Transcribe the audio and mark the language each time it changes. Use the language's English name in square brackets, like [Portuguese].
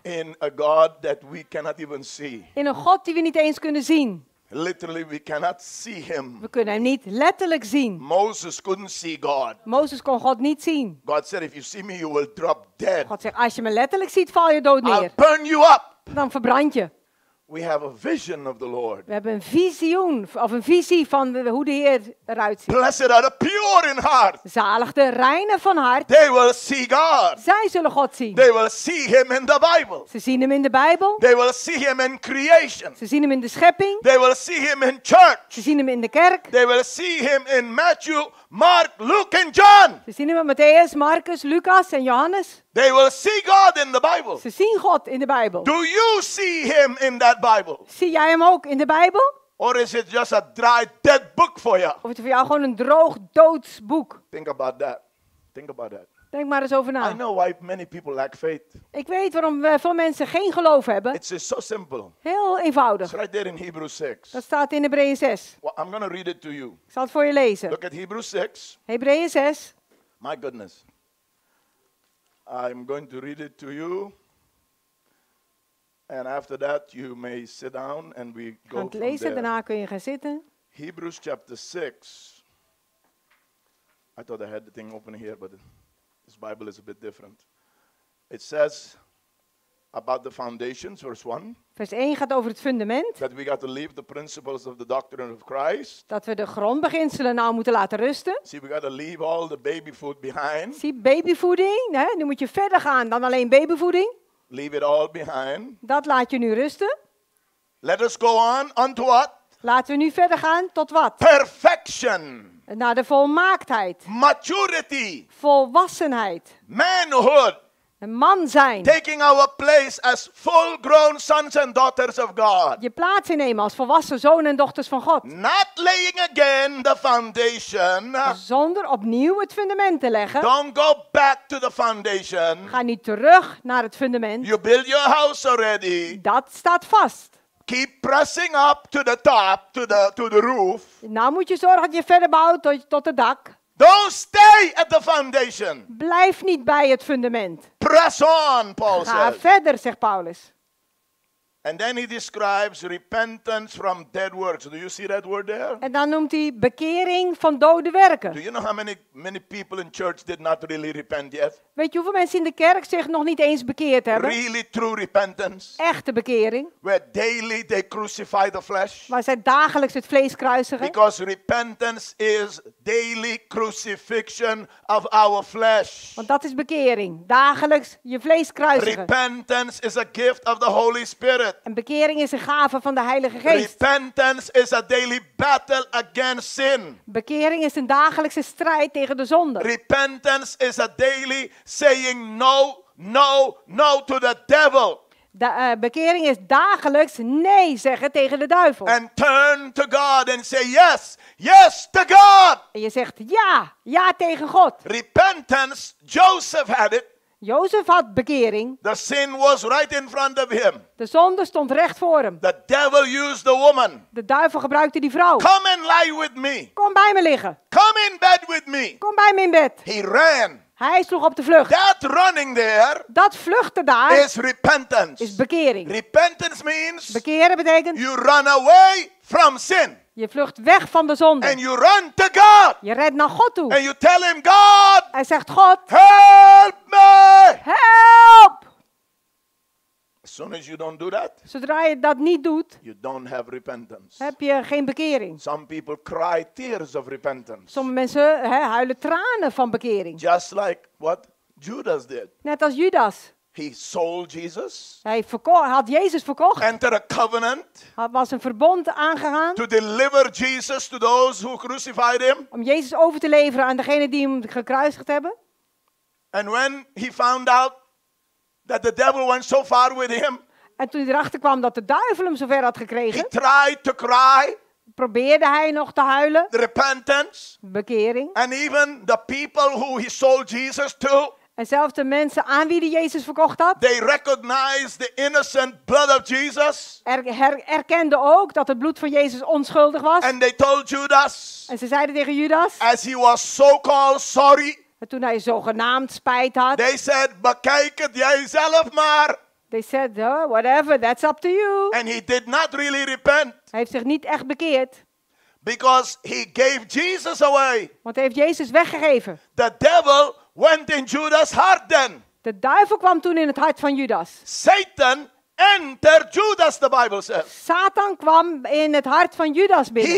[English] In a God that we cannot even see. [Dutch] In een God die we niet eens kunnen zien. [English] Literally, we cannot see him. [Dutch] We kunnen hem niet letterlijk zien. [English] Moses couldn't see God. [Dutch] Moses kon God niet zien. [English] God said, if you see me, you will drop dead. [Dutch] God zegt, als je me letterlijk ziet, val je dood neer. [English] I'll burn you up. [Dutch] Dan verbrand je. [English] We have a vision of the Lord. [Dutch] We hebben een visioen of een visie van hoe de Heer eruit ziet. [English] Blessed are the pure in heart. [Dutch] Zalig de reine van hart. [English] They will see God. [Dutch] Zij zullen God zien. [English] They will see him in the Bible. [Dutch] Ze zien hem in de Bijbel. [English] They will see him in creation. [Dutch] Ze zien hem in de schepping. [English] They will see him in church. [Dutch] Ze zien hem in de kerk. [English] They will see him in Matthew, Mark, Luke and John. [Dutch] Ze zien hem in Matthäus, Marcus, Lucas en Johannes. [English] They will see God in the Bible. [Dutch] Ze zien God in de Bijbel. [English] Do you see him in that Bible? [Dutch] Zie jij hem ook in de Bijbel? [English] Or is it just a dry, dead book for you? [Dutch] Of is het voor jou gewoon een droog, doods boek? [English] Think about that. Think about that. [Dutch] Denk maar eens over na. [English] I know why many people lack faith. [Dutch] Ik weet waarom veel mensen geen geloof hebben. [English] It's just so simple. [Dutch] Heel eenvoudig. [English] It's right there in Hebrews 6. [Dutch] Dat staat in Hebreeën 6. [English] Well, I'm gonna read it to you. [Dutch] Ik zal het voor je lezen. [English] Look at Hebrews 6. [Dutch] Hebreeën 6. [English] My goodness. I'm going to read it to you. And after that you may sit down and we go from there. [Dutch] Gaan het lezen, daarna kun je gaan zitten. [English] Hebrews chapter 6. I thought I had the thing open here, but this Bible is a bit different. It says about the foundations, verse 1. [Dutch] Vers 1 gaat over het fundament. [English] That we got to leave the principles of the doctrine of Christ. [Dutch] Dat we de grondbeginselen nou moeten laten rusten. [English] See, we got to leave all the baby food behind. See, [Dutch] babyvoeding, hè? Nu moet je verder gaan dan alleen babyvoeding. [English] Leave it all behind. [Dutch] Dat laat je nu rusten. [English] Let us go on unto what? [Dutch] Laten we nu verder gaan tot wat? [English] Perfection. [Dutch] Naar de volmaaktheid. [English] Maturity. [Dutch] Volwassenheid. [English] Manhood. [Dutch] Een man zijn. [English] Taking our place as full-grown sons and daughters of God. [Dutch] Je plaats innemen als volwassen zonen en dochters van God. [English] Not laying again the foundation. [Dutch] Zonder opnieuw het fundament te leggen. [English] Don't go back to the foundation. [Dutch] Ga niet terug naar het fundament. [English] You build your house already. [Dutch] Dat staat vast. [English] Keep pressing up to the top, to the roof. [Dutch] Nou moet je zorgen dat je verder bouwt tot het dak. [English] Don't stay at the foundation. [Dutch] Blijf niet bij het fundament. [English] Press on, Paul says. [Dutch] Ga verder, zegt Paulus. [English] And then he describes repentance from dead works. Do you see that word there? [Dutch] En dan noemt hij bekering van dode werken. [English] Do you know how many people in church did not really repent yet? [Dutch] Weet je hoeveel mensen in de kerk zich nog niet eens bekeerd hebben? [English] Really true repentance. [Dutch] Echte bekering. [English] Where daily they crucify the flesh. [Dutch] Waar zij dagelijks het vlees kruisigen. [English] Because repentance is daily crucifixion of our flesh. [Dutch] Want dat is bekering. Dagelijks je vlees kruisigen. [English] Repentance is a gift of the Holy Spirit. [Dutch] En bekering is een gave van de Heilige Geest. [English] Repentance is a daily battle against sin. [Dutch] Bekering is een dagelijkse strijd tegen de zonde. [English] Repentance is a daily saying no, no, no to the devil. [Dutch] Bekering is dagelijks nee zeggen tegen de duivel. [English] And turn to God and say yes, yes to God. [Dutch] En je zegt ja, ja tegen God. [English] Repentance, Joseph had it. [Dutch] Jozef had bekering. [English] The sin was right in front of him. [Dutch] De zonde stond recht voor hem. [English] The devil used the woman. [Dutch] De duivel gebruikte die vrouw. [English] Come and lie with me. [Dutch] Kom bij me liggen. [English] Come in bed with me. [Dutch] Kom bij me in bed. [English] He ran. [Dutch] Hij sloeg op de vlucht. [English] That running there. [Dutch] Dat vluchten daar. [English] Is repentance. [Dutch] Is bekering. [English] Repentance means. [Dutch] Bekeren betekent. [English] You run away from sin. [Dutch] Je vlucht weg van de zonde. [English] And you run to God. [Dutch] Je redt naar God toe. [English] And you tell him, God. [Dutch] Hij zegt, God. [English] Help me. [Dutch] Help. [English] As soon as you don't do that. [Dutch] Zodra je dat niet doet. [English] You don't have repentance. [Dutch] Heb je geen bekering. [English] Some people cry tears of repentance. [Dutch] Sommige mensen huilen tranen van bekering. [English] Just like what Judas did. [Dutch] Net als Judas. [English] He sold Jesus. [Dutch] Hij had Jezus verkocht. [English] Entered a covenant. [Dutch] Hij was een verbond aangegaan. [English] To deliver Jesus to those who crucified him. [Dutch] Om Jezus over te leveren aan degene die hem gekruisigd hebben. [English] And when he found out that the devil went so far with him. [Dutch] En toen hij erachter kwam dat de duivel hem zover had gekregen. [English] He tried to cry. [Dutch] Probeerde hij nog te huilen. [English] Repentance. [Dutch] Bekering. [English] And even the people who he sold Jesus to. [Dutch] Enzelfde mensen aan wie die Jezus verkocht had. [English] They recognized the innocent blood of Jesus. [Dutch] Erkenden ook dat het bloed van Jezus onschuldig was. [English] And they told Judas. [Dutch] En ze zeiden tegen Judas. [English] As he was so-called sorry. [Dutch] En toen hij zogenaamd spijt had. [English] They said, [Dutch] bekijk het jij zelf maar. [English] They said, oh, whatever, that's up to you. And he did not really repent. [Dutch] Hij heeft zich niet echt bekeerd. [English] Because he gave Jesus away. [Dutch] Want hij heeft Jezus weggegeven. [English] The devil went in Judas' heart then. [Dutch] De duivel kwam toen in het hart van Judas. [English] Satan entered Judas, the Bible says. [Dutch] Satan kwam in het hart van Judas binnen.